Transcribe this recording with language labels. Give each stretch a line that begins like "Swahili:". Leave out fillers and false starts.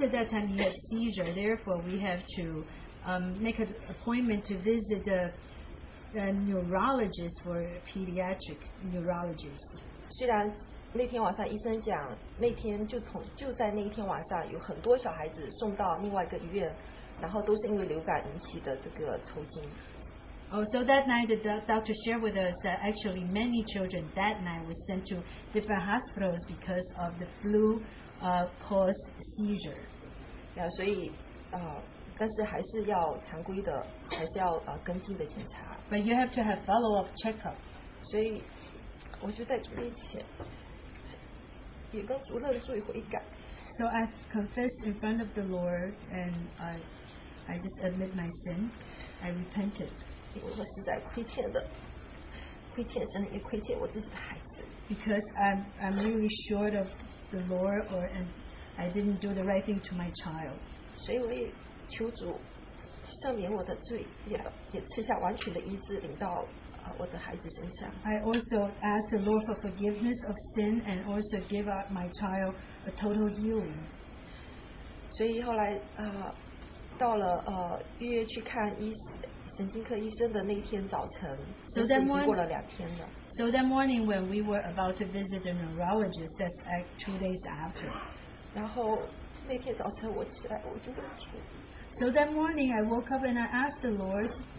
English: at that time he had seizure, therefore we have to make an appointment to visit the neurologist for pediatric neurologist.
Chinese: 虽然那天晚上医生讲，就在那天晚上有很多小孩子送到另外一个医院，然后都是因为流感引起的这个抽筋。
English: Oh, so that night the doctor shared with us that actually many children that night were sent to different hospitals because of the flu caused seizure.
Chinese: Yeah, 所以，但是还是要常规的，还是要跟进的检查。
English: But you have to have follow-up checkup.
Chinese: 所以我就在主面前也跟主任做一回改。
English: So I confess in front of the Lord, and I just admit my sin. I repented. Because I'm really short of the Lord, or and I didn't do the right thing to my child. I also ask the Lord for forgiveness of sin and also give up my child a total healing.
Chinese: 所以后来, 到了预约去看神经科医生的那天早晨,
English: so that morning when we were about to visit the neurologist, that's like 2 days after.
Chinese: 然后那天早晨我起来我就问主,
English: so that morning I woke up and I asked the Lord,